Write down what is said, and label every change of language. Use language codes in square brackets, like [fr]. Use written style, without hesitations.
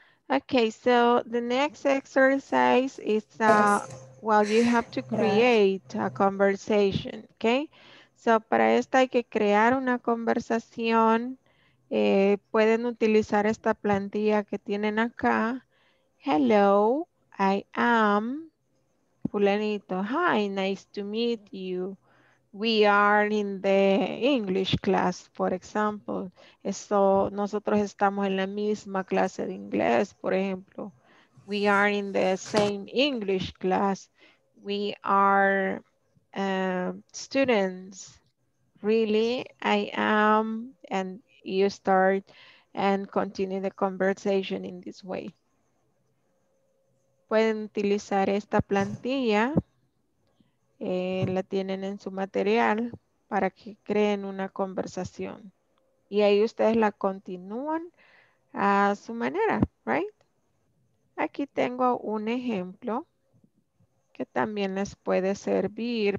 [en] Okay, so the next exercise is, well, you have to create a conversation, okay? [es] So, para esta hay que crear una conversación. Pueden utilizar esta plantilla que tienen acá. [en] Hello, I am Fulanito. Hi, nice to meet you. We are in the English class, for example. [es] So, nosotros estamos en la misma clase de inglés, por ejemplo. [en] We are in the same English class. We are students. Really? I am. And you start and continue the conversation in this way. [es] Pueden utilizar esta plantilla, la tienen en su material para que creen una conversación. Y ahí ustedes la continúan a su manera, right? Aquí tengo un ejemplo que también les puede servir.